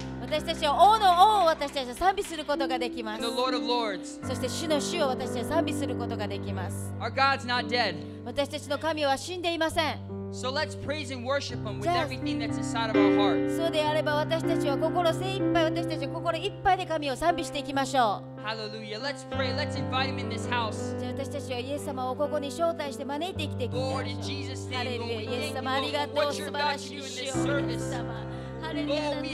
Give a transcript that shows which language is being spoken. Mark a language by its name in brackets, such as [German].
[Japanese] 私たちは王の王を私たちは賛美することができます。 [English] And the Lord of Lords. [Japanese] そして主の主を私たちは賛美することができます。 [English] Our God's not dead. [Japanese] 私たちの神は死んでいません。 [English] So let's praise and worship Him with everything that's inside of our heart. [Japanese] そうであれば私たちは心精一杯、私たちは心いっぱいで神を賛美していきましょう。 [English] Hallelujah. Let's pray. Let's invite Him in this house. [Japanese] じゃあ私たちはイエス様をここに招待して招いてきていきましょう。 [English] Lord, in Jesus' name, Lord, [Japanese] イエス様ありがとう。素晴らしい主よ、イエス様。